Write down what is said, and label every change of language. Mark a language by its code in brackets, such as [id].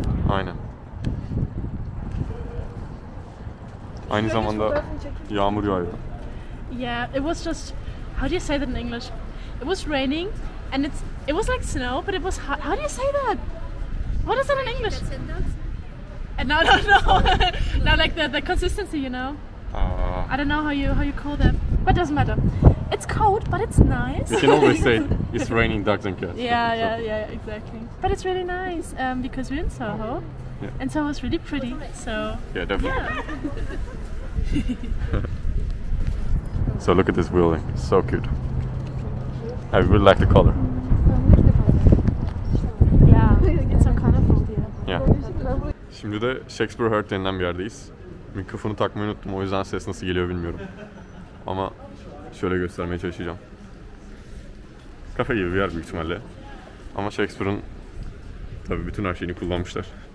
[tr] Aynen. Aynı zamanda yağmur yağıyor. [en] Yeah, it was just, how do you say that in English? It was raining and it was like snow, but it was hot. How do you say that? What is that in English? And no, like the consistency, you know. I don't know how you call that, but it doesn't matter. It's cold, but it's nice. You can always say it's raining dogs and cats. Yeah, exactly. But it's really nice because we're in Soho, yeah. And Soho is really pretty. So yeah, definitely. Yeah. So look at this building. So cute. I really like the color. Yeah, it's so colorful here. Yeah. [tr] Şimdi de Shakespeare Heart denilen bir yerdeyiz. Mikrofonu takmayı unuttum, o yüzden ses nasıl geliyor bilmiyorum. Ama şöyle göstermeye çalışacağım. Kafe gibi bir yer büyük ihtimalle. Ama Shakespeare'ın tabii bütün her şeyini kullanmışlar.